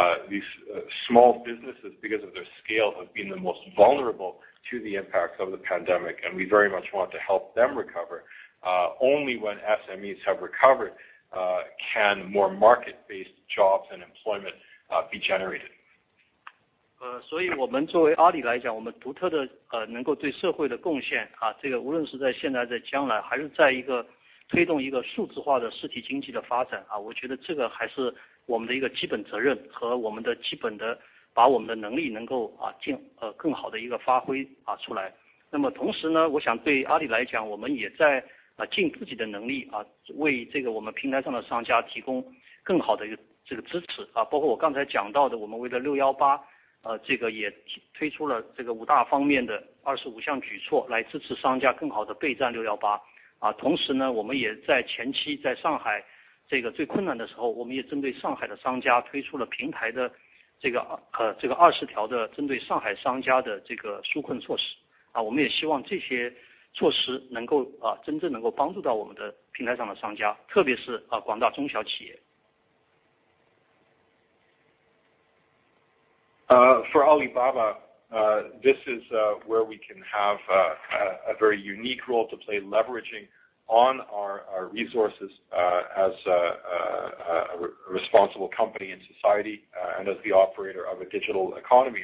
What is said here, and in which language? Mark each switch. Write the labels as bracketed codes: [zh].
[en] These small businesses, because of their scale, have been the most vulnerable to the impacts of the pandemic, and we very much want to help them recover. Only when SMEs have recovered can more market-based jobs and employment be generated. [zh] 所以我们作为阿里来讲，我们独特的能够对社会的贡献这个无论是在现在在将来，还是在一个推动一个数字化的实体经济的发展我觉得这个还是我们的一个基本责任和我们的基本的把我们的能力能够啊进更好的一个发挥啊出来。那么同时呢，我想对阿里来讲，我们也在啊尽自己的能力啊，为这个我们平台上的商家提供更好的一个这个支持啊，包括我刚才讲到的，我们为了618这个也推出了这个五大方面的25项举措来支持商家更好的备战618啊。同时呢，我们也在前期在上海这个最困难的时候，我们也针对上海的商家推出了平台的这个20条的针对上海商家的这个纾困措施啊。我们也希望这些措施能够啊真正能够帮助到我们的平台上的商家，特别是啊广大中小企业。 [en] For Alibaba, this is where we can have a very unique role to play, leveraging on our resources as a responsible company in society and as the operator of a digital economy.